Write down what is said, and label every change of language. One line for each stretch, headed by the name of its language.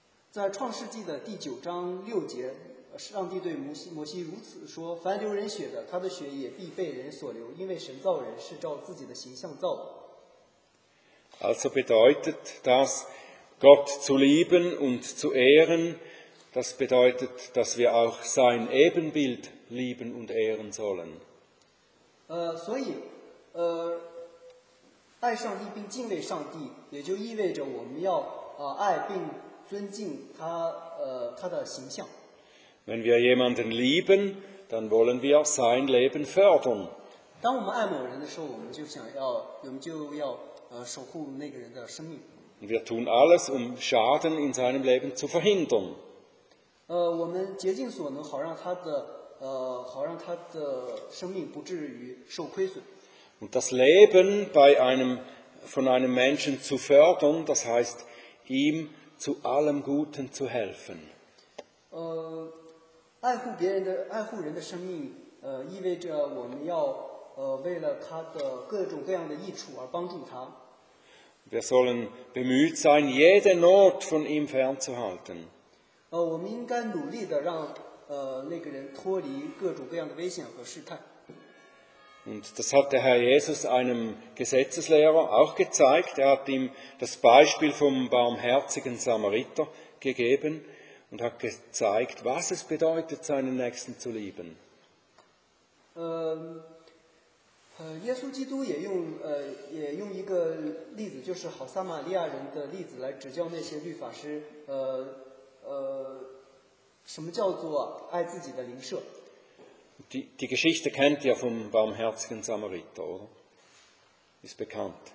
Chinese: 在创世纪的第九章六节。上帝对摩西如此说：凡流人血的，他的血也必被人所流，因为神造人是照自己的形象造的。
German: Also bedeutet das, Gott zu lieben und zu ehren, das bedeutet, dass wir auch sein Ebenbild lieben und ehren sollen.
Chinese: 所以，爱上帝并敬畏上帝，也就意味着我们要爱并尊敬他他的形象。
German: Wenn wir jemanden lieben, dann wollen wir sein Leben fördern.
Chinese: 当我们爱某人的时候，我们就要守护那个人的生命。
German: Wir tun alles, um Schaden in seinem Leben zu verhindern.
Chinese: 我们竭尽所能，好让他的生命不至于受亏损。
German: Und das Leben von einem Menschen zu fördern, das heißt, ihm zu allem Guten zu helfen.
Chinese: 爱护人的生命，意味着我们要为了他的各种各样的益处而帮助他。
German: Wir sollen bemüht sein, jede Not von ihm fernzuhalten.
Chinese: 我们应该努力的让那个人脱离各种各样的危险和试探。
German: Und das hat der Herr Jesus einem Gesetzeslehrer auch gezeigt. Er hat ihm das Beispiel vom barmherzigen Samariter gegeben und hat gezeigt, was es bedeutet, seinen Nächsten zu lieben.
Chinese: Jesus Christus 也用一个例子，就是好撒玛利亚人的例子来指教那些律法师，什么叫做爱自己的邻舍。
German: Die Geschichte kennt ihr vom barmherzigen Samariter, oder? Ist bekannt.